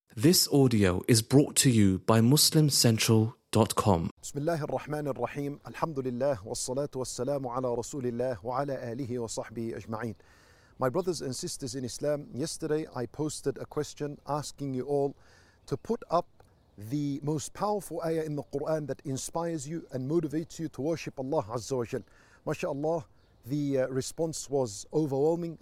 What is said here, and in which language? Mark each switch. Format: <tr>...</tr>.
<en>This audio is brought to you by MuslimCentral.com.</en> <ar>بسم الله الرحمن الرحيم. الحمد لله والصلاة والسلام على رسول الله وعلى آله وصحبه أجمعين.</ar> <en>My brothers and sisters in Islam, yesterday I posted a question asking you all to put up the most powerful ayah in the Quran that inspires you and motivates you to worship Allah Azza wa Jal. MashaAllah, the response was overwhelming.</en>